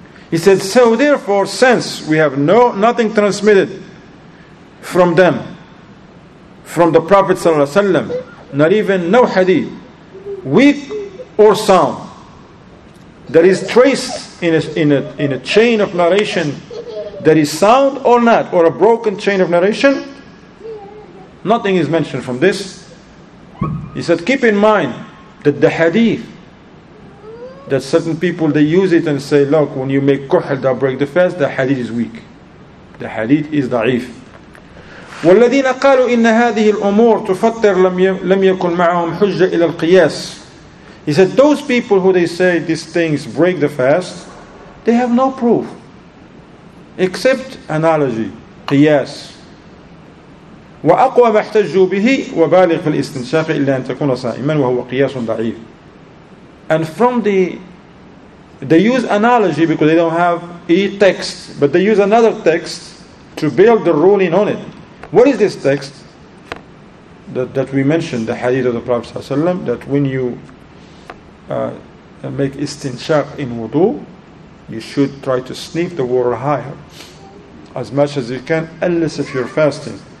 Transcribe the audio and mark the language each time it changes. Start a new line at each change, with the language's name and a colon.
English: He said, so therefore, since we have nothing transmitted from them, from the Prophet ﷺ, not even no hadith, weak or sound, that is traced in a chain of narration that is sound or not, or a broken chain of narration, nothing is mentioned from this. He said, keep in mind that the hadith, that certain people, they use it and say, look, when you make kuhl, that break the fast, the hadith is weak. The hadith is da'if.
Arabic: والذين قالوا إن هذه الأمور تفطر لم يكن معهم حجة إلى القياس.
English: He said, those people who they say these things break the fast, they have no proof except analogy, قياس.
Arabic: وأقوى ما احتجوا به وبالغ في الاستنشاق إلا أن تكون صائما وهو قياس ضعيف.
English: And from the, they use analogy because they don't have a text, but they use another text to build the ruling on it. What is this text that we mentioned, the hadith of the Prophet ﷺ, that when you make istinshaq in wudu, you should try to sniff the water higher as much as you can, unless if you're fasting.